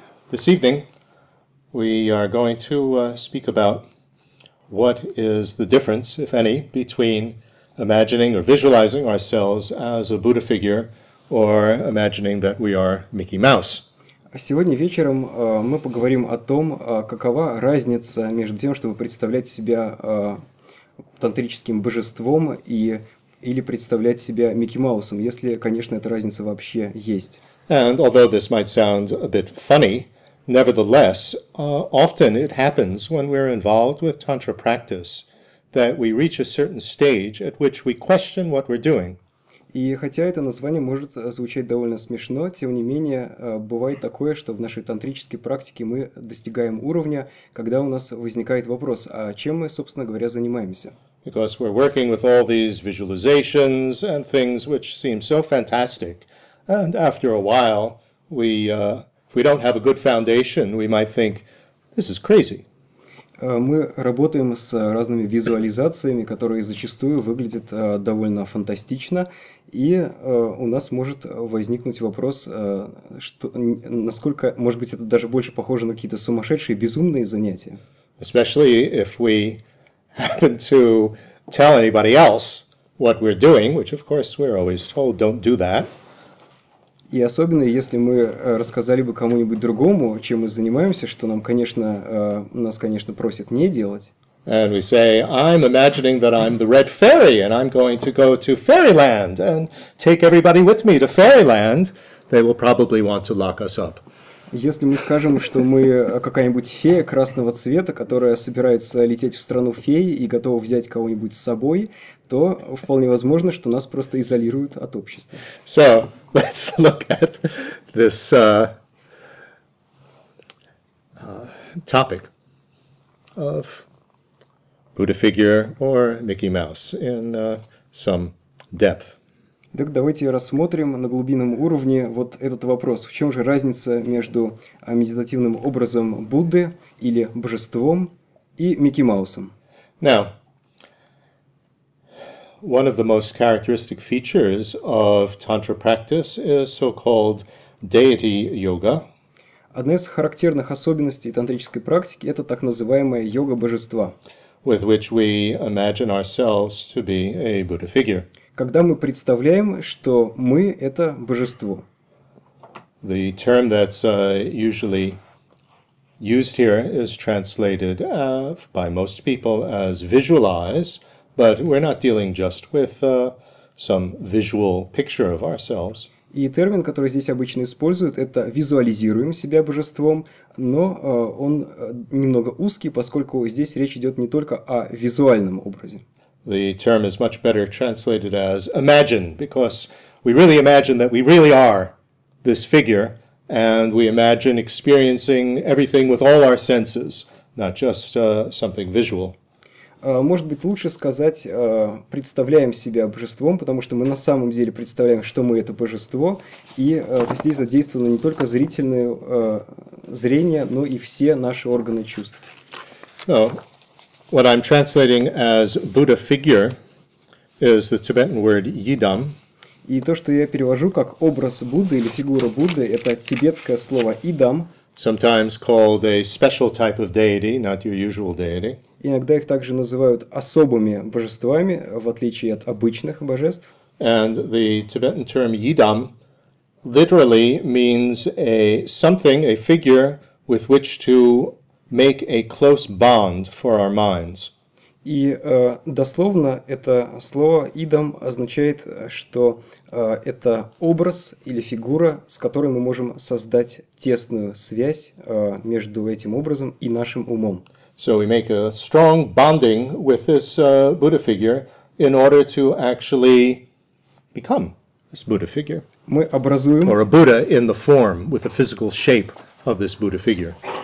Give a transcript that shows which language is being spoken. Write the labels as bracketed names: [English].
[English] This evening, we are going to speak about what is the difference, if any, between imagining or visualizing ourselves as a Buddha figure or imagining that we are Mickey Mouse. [Russian] Сегодня вечером мы поговорим о том, какова разница между тем, чтобы представлять себя тантрическим божеством и или представлять себя Микки Маусом, если, конечно, эта разница вообще есть. [English] And although this might sound a bit funny, nevertheless, often it happens when we're involved with tantra practice that we reach a certain stage at which we question what we're doing. [Russian] И хотя это название может звучать довольно смешно, тем не менее, бывает такое, что в нашей тантрической практике мы достигаем уровня, когда у нас возникает вопрос, а чем мы, собственно говоря, занимаемся? [English] Because we're working with all these visualizations and things which seem so fantastic. And after a while, if we don't have a good foundation, we might think, this is crazy. [Russian] Мы работаем с разными визуализациями, которые зачастую выглядят довольно фантастично, и у нас может возникнуть вопрос, что, насколько, может быть, это даже больше похоже на какие-то сумасшедшие, безумные занятия. [English] Especially if we happen to tell anybody else what we're doing, which, of course, we're always told, don't do that. [Russian] И особенно, если мы рассказали бы кому-нибудь другому, чем мы занимаемся, что нам, конечно, нас, конечно, просят не делать. [English] And we say, I'm imagining that I'm the Red Fairy, and I'm going to go to Fairyland, and take everybody with me to Fairyland, they will probably want to lock us up. [Russian] Если мы скажем, что мы какая-нибудь фея красного цвета, которая собирается лететь в страну фей и готова взять кого-нибудь с собой, то вполне возможно, что нас просто изолируют от общества. [English] So, let's look at this topic of Buddha figure or Mickey Mouse in some depth. [Russian] Так давайте рассмотрим на глубинном уровне вот этот вопрос. В чем же разница между медитативным образом Будды или божеством и Микки Маусом? [English] Now, one of the most characteristic features of tantra practice is so-called deity yoga. [Russian] Одна из характерных особенностей тантрической практики – это так называемая йога божества. [English] With which we imagine ourselves to be a Buddha figure. [Russian] Когда мы представляем, что мы – это божество. [English] The term that's usually used here is translated by most people as visualize, but we're not dealing just with some visual picture of ourselves. [Russian] И термин, который здесь обычно используют, это «визуализируем себя божеством», но он немного узкий, поскольку здесь речь идет не только о визуальном образе. [English] The term is much better translated as imagine, because we really imagine that we really are this figure, and we imagine experiencing everything with all our senses, not just something visual. [Russian] Может быть, лучше сказать «представляем себя божеством», потому что мы на самом деле представляем, что мы – это божество, и здесь задействовано не только зрительное зрение, но и все наши органы чувств. [English] So, what I'm translating as Buddha figure is the Tibetan word yidam. [Russian] И то, что я перевожу как образ Будды или фигура Будды, это тибетское слово идам. [English] Sometimes called a special type of deity, not your usual deity. [Russian] Иногда их также называют особыми божествами, в отличие от обычных божеств. [English] And the Tibetan term yidam literally means a something, a figure with which to make a close bond for our minds. [Russian] И дословно это слово «идам» означает, что это образ или фигура, с которой мы можем создать тесную связь между этим образом и нашим умом. [English] So we make a strong bonding with this Buddha figure in order to actually become this Buddha figure. [Russian] Мы образуем... [English] Or a Buddha in the form, with the physical shape of this Buddha figure.